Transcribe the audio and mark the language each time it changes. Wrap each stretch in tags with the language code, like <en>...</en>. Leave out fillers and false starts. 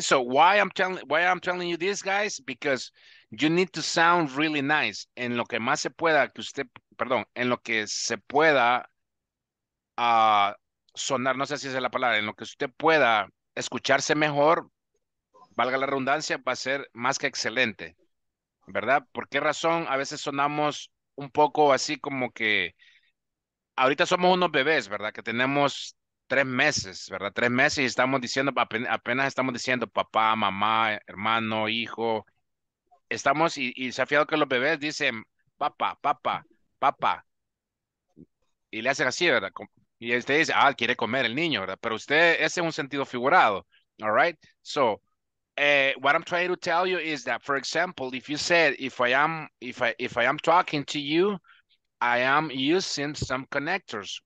<en>So why I'm telling you this, guys, because you need to sound really nice.</en> <es>En lo que más se pueda que usted, perdón, en lo que se pueda sonar, no sé si es la palabra, en lo que usted pueda escucharse mejor, valga la redundancia, va a ser más que excelente, ¿verdad? ¿Por qué razón a veces sonamos un poco así como que ahorita somos unos bebés, ¿verdad? Que tenemos 3 meses, ¿verdad? 3 meses y estamos diciendo, apenas estamos diciendo papá, mamá, hermano, hijo. Estamos y se ha fijado que los bebés dicen papá, papá, papá. Y le hacen así, ¿verdad? Y usted dice, ah, quiere comer el niño, ¿verdad? Pero usted, ese es un sentido figurado,</es> <en>all right? So, what I'm trying to tell you is that, for example, if you said, if I am talking to you, I am using some connectors.</en>